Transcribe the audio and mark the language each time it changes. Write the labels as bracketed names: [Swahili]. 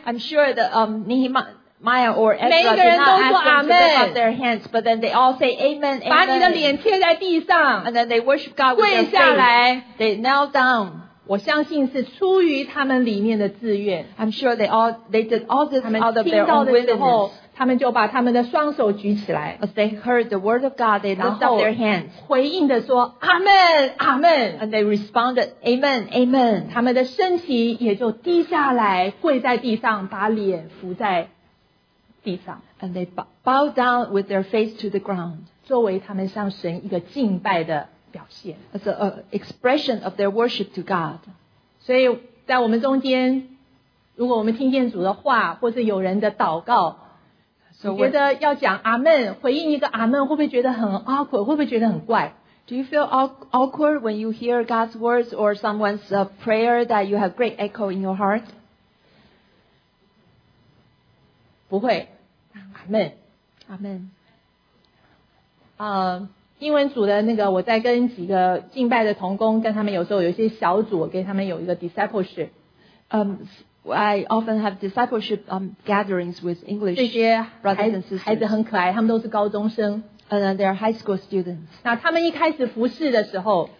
[English] I'm sure that Nehemiah or Ezra did not ask them to lift up their hands, but then they all say Amen, Amen. [Chinese] 把你的脸贴在地上， [English] and then they worship God with their face. They knelt down. [Chinese] 我相信是出于他们里面的自愿。 [English] I'm sure they did all this out of their own willingness. [Chinese] 他们就把他们的双手举起来， [English] As they heard the word of God, they lift up their hands. [Chinese] 回应地说， Amen, Amen. [English] And they responded, Amen, Amen. [Chinese] 他们的身体也就低下来， 跪在地上， 把脸伏在地上， [English] And they bow down with their face to the ground. [Chinese] 作为他们向神一个敬拜的表现， [English] As an expression of their worship to God. [Chinese] 所以在我们中间， 如果我们听见主的话， 或是有人的祷告， [English] So [Chinese] 你觉得要讲阿们，回应一个阿们，会不会觉得很 awkward， 会不会觉得很怪？ [English] Do you feel awkward when you hear God's words or someone's prayer that you have great echo in your heart？ [Chinese] 不会，阿们，阿们。英文组的那个，我在跟几个敬拜的同工，跟他们有时候有一些小组，跟他们有一个 discipleship。 [English] I often have discipleship gatherings with English brothers and sisters. [Chinese] 孩子很可爱， 他们都是高中生， [English] and they are high school students. [Chinese] 那他们一开始服侍的时候，